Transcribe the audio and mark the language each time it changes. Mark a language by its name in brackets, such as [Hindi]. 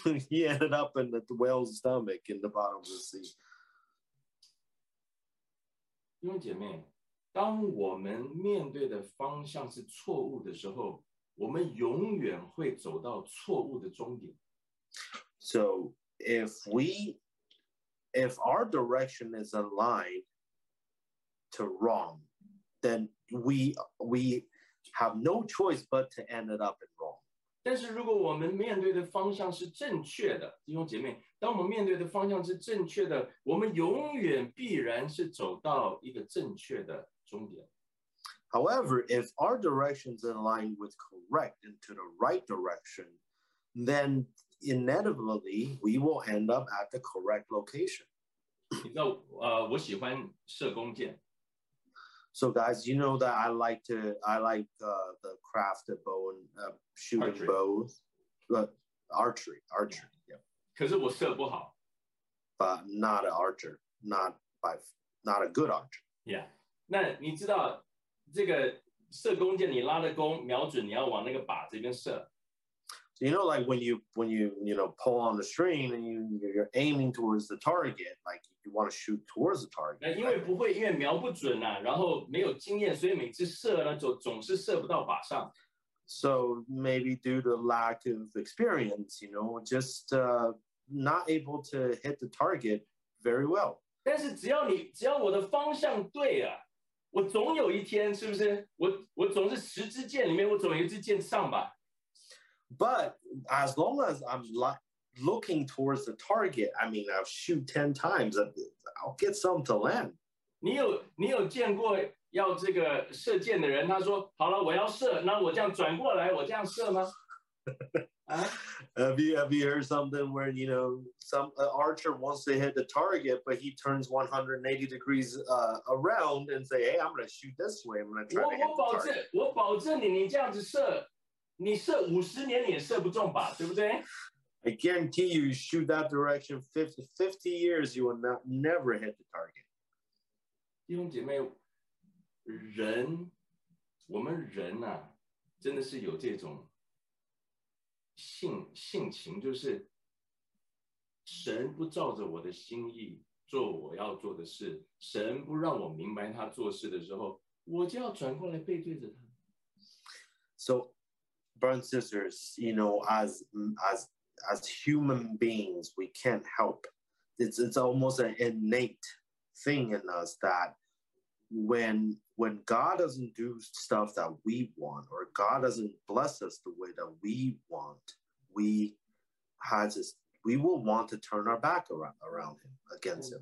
[English] He ended up in the whale's stomach in the bottom of the sea. [Chinese] 弟兄姐妹，当我们面对的方向是错误的时候，我们永远会走到错误的终点。 [English] So if our direction is aligned to wrong, then we have no choice but to end up in wrong. [Chinese] 但是如果我们面对的方向是正确的，弟兄姐妹，当我们面对的方向是正确的，我们永远必然是走到一个正确的终点。 [English] However, if our directions align with correct and to the right direction, then inevitably we will end up at the correct location. [Chinese] 你知道，我喜欢射弓箭。 [English] So guys, you know that I like the craft of bow and shooting archery. Bows. Archery. Yeah. [Chinese] 可是我射不好。 [English] But not an archer. Not a good archer. Yeah. [Chinese] 那你知道这个射弓箭你拉的弓瞄准你要往那个靶这边射。 [English] So you know, like when you pull on the string and you're aiming towards the target, like you want to shoot towards the target. [Chinese] 那因为不会，因为瞄不准呐，然后没有经验，所以每次射呢，总是射不到靶上。 [English] So maybe due to lack of experience, you know, just not able to hit the target very well. [Chinese] 但是只要我的方向对啊，我总有一天是不是？我总是十支箭里面，我总有一支箭上吧。 [English] But as long as I'm looking towards the target, I mean, I'll shoot 10 times, I'll get something to land. [Chinese] 你有见过要这个射箭的人，他说，好了，我要射，那我这样转过来，我这样射吗？ [English] Have you heard something where, you know, an archer wants to hit the target, but he turns 180 degrees around and say, hey, I'm going to shoot this way, I'm going to try to hit the target. [Chinese] 我保证你这样子射。你射五十年你也射不中吧，对不对 [English] ？I guarantee you shoot that direction 50 years, you will never hit the target. [Chinese] 弟兄姐妹，人，我们人啊，真的是有这种性情，就是神不照着我的心意做我要做的事，神不让我明白他做事的时候，我就要转过来背对着他。 [English] So. Brothers and sisters, you know, as human beings, we can't help. It's almost an innate thing in us that when God doesn't do stuff that we want, or God doesn't bless us the way that we want, we will want to turn our back around him, against him.